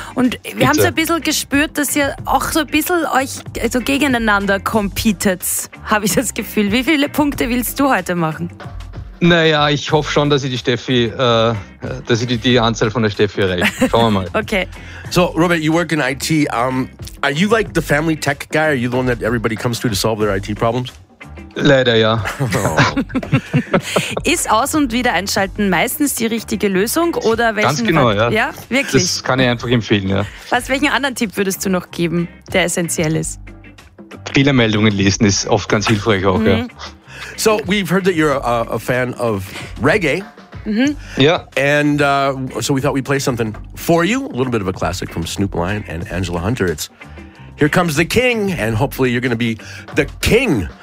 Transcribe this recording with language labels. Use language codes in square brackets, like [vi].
[de] Und wir haben so ein bisschen gespürt, dass ihr auch so ein bisschen euch so gegeneinander competet, habe ich das Gefühl. Wie viele Punkte willst du heute machen? Naja, ich hoffe schon, dass ich die Steffi, dass ich die Anzahl von der Steffi erreiche. Schauen wir mal. Okay. [en] So, Robert, you work in IT. Are you like the family tech guy? Are you the one that everybody comes to solve their IT problems? [de] Leider ja. Oh. Ist Aus- und Wiedereinschalten meistens die richtige Lösung? Oder ganz genau, ja. Ja, wirklich. Das kann ich einfach empfehlen, ja. Welchen anderen Tipp würdest du noch geben, der essentiell ist? Fehlermeldungen lesen ist oft ganz hilfreich auch, ja. [en] So, we've heard that you're a fan of reggae. Mm-hmm. Yeah. And so we thought we'd play something for you, a little bit of a classic from Snoop Lion and Angela Hunter. It's Here Comes the King, and hopefully you're going to be the king